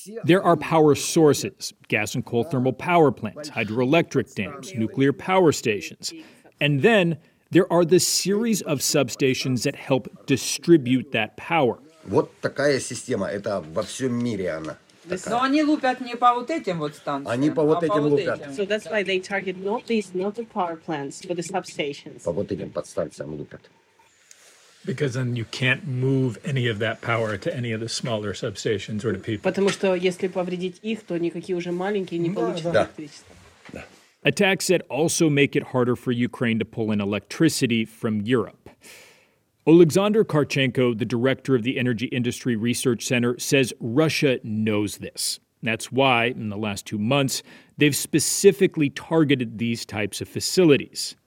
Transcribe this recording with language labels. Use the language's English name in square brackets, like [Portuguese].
[English] There are power sources, gas and coal thermal power plants, hydroelectric dams, nuclear power stations. And then there are the series of substations that help distribute that power. [Russian] Вот такая система, это во всем мире она. Но они лупят не по вот этим вот станциям. Они по вот этим лупят. [English] So that's why they target not these, not the power plants, but the substations. [Russian] По вот этим подстанциям лупят. [English] Because then you can't move any of that power to any of the smaller substations or to people. [Russian] Потому что если повредить их, то никакие уже маленькие не получат электричество. [English] Attacks that also make it harder for Ukraine to pull in electricity from Europe. Oleksandr Karchenko, the director of the Energy Industry Research Center, says Russia knows this. That's why, in the last 2 months, they've specifically targeted these types of facilities.